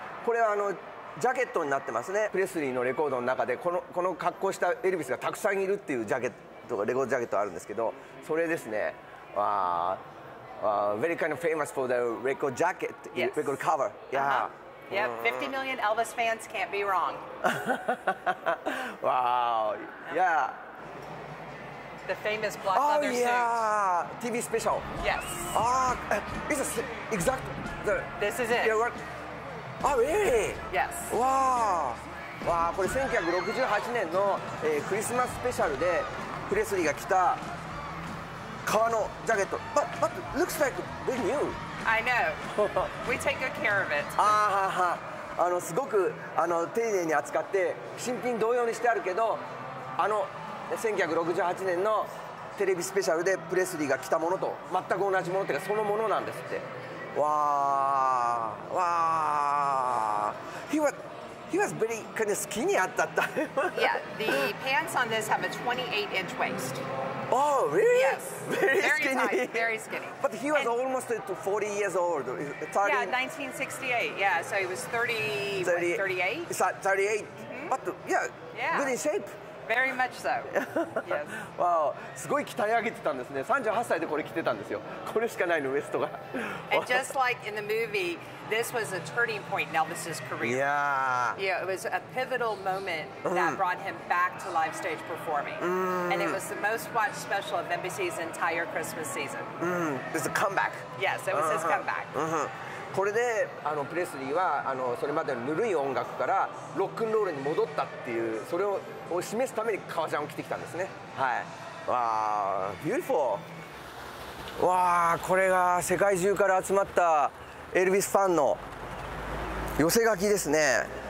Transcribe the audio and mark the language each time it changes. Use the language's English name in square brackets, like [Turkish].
[Japanese] これはあのジャケットになってますね。プレスリーのレコードの中でこの格好したエルヴィスがたくさんいるっていうジャケット、レコードジャケットあるんですけど、それですね。 [English] Very kind of famous for the record jacket, record cover. Yeah. Uh-huh. Yeah, 50 million Elvis fans can't be wrong. Wow. Yeah. The famous black leather suit. Oh, yeah. TV special. Yes. It's a exact. This is it. Oh, really? Yes. Wow. Wow, this is 1968's Christmas special. Presley came. [Japanese] 革のジャケット [English] but looks like very new. I know. We take good care of it. [Japanese] あのすごくあの丁寧に扱って新品同様にしてあるけど、あの1968年のテレビスペシャルでプレスリーが着たものと全く同じものというかそのものなんですって。わーわー。 [English] He was very kind of skinny at that time. Yeah, the pants on this have a 28-inch waist. Oh, really? Yes. Very skinny. Very tight, very skinny. But he was almost 40 years old. Yeah, 1968. Yeah, so he was 38? 38. Mm-hmm. But yeah, good in shape. Very much so. Yes. [Japanese] Wow, すごい鍛え上げてたんですね。38歳でこれ着てたんですよ。これしかないの、ウエストが。 [English] And just like in the movie, this was a turning point in Elvis's career. Yeah. Yeah, it was a pivotal moment that brought him back to live stage performing. And it was the most watched special of NBC's entire Christmas season. It was a comeback. Yes, it was his comeback. [Japanese] これであのプレスリーはあのそれまでのぬるい音楽からロックンロールに戻ったっていうそれを示すために革ジャンを着てきたんですね。はい。わあ、beautiful。わあ、これが世界中から集まったエルヴィスファンの寄せ書きですね。